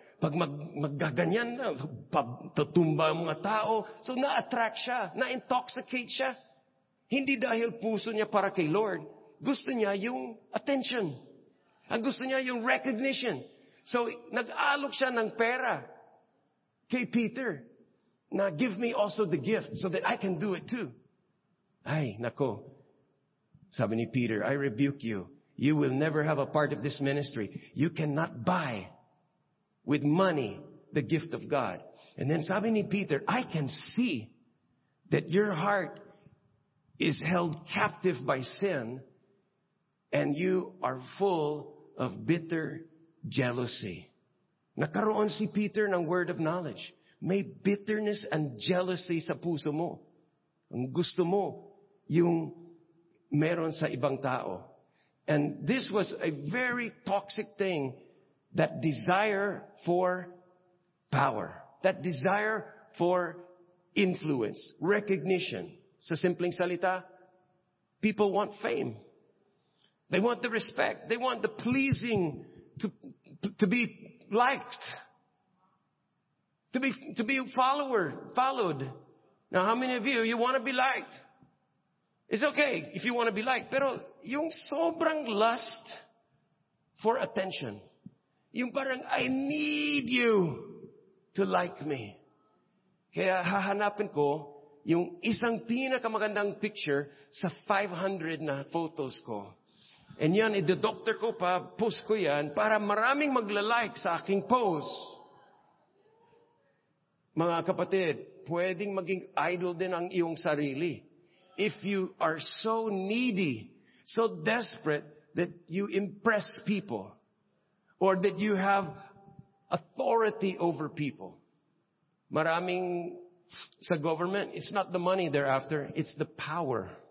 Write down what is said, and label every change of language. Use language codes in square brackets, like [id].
[tl] Pag magaganyan na, patutumba ang mga tao. So na-attract siya, na-intoxicate siya. Hindi dahil puso niya para kay Lord. Gusto niya yung attention. Ang gusto niya yung recognition. So nag-alok siya ng pera kay Peter. [en] Now give me also the gift so that I can do it too. Ay, nako. [tl] Sabi ni Peter, [en] I rebuke you. You will never have a part of this ministry. You cannot buy with money the gift of God. And then [tl] sabi ni Peter, [en] I can see that your heart is held captive by sin and you are full of bitter jealousy. [tl] Nakaroon si Peter ng [en] word of knowledge. [tl] May [en] bitterness and jealousy [tl] sa puso mo. Ang gusto mo yung meron sa ibang tao. [en] And this was a very toxic thing, that desire for power. That desire for influence, recognition. [tl] Sa simpleng salita, [en] people want fame. They want the respect. They want the pleasing to be liked. To be followed. Now, how many of you want to be liked? It's okay if you want to be liked. [tl] Pero yung sobrang [en] lust for attention. [tl] Yung parang, [en] I need you to like me. [tl] Kaya hahanapin ko yung isang pinakamagandang picture sa 500 na photos ko. And yan, i-doctor ko pa, post ko yan, para maraming magla-like sa aking post. Mga kapatid, pwedeng maging idol din ang iyong sarili. [en] If you are so needy, so desperate that you impress people, or that you have authority over people. [tl] Maraming sa [en] government, it's not the money they're after, it's the power.